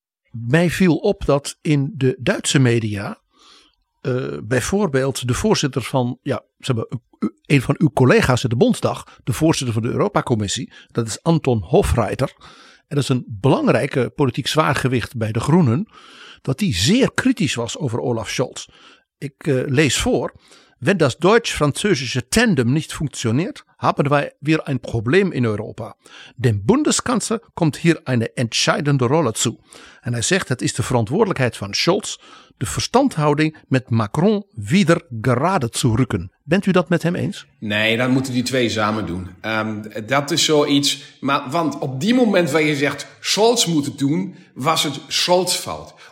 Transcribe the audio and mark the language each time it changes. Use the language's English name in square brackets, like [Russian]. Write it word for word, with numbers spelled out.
[Dutch] Mij viel op dat in de Duitse media... Uh, bijvoorbeeld de voorzitter van... ja, zeg maar, een van uw collega's in de Bondsdag... de voorzitter van de Europacommissie, dat is Anton Hofreiter. En dat is een belangrijke politiek zwaargewicht bij de Groenen... dat die zeer kritisch was over Olaf Scholz... Ik uh, lees vor. [German] Wenn das deutsch-französische Tandem nicht funktioniert, haben wir ein Problem in Europa. Dem Bundeskanzler kommt hier eine entscheidende Rolle zu. [Dutch] En hij zegt, het is de verantwoordelijkheid van Scholz de verstandhouding met Macron [German] wieder gerade zu rücken. [Dutch] Bent u dat met hem eens? Nee, dan moeten die twee samen doen. Um, dat is zoiets. Maar, want op die moment waar je zegt, Scholz moet het doen, was het Scholz fout.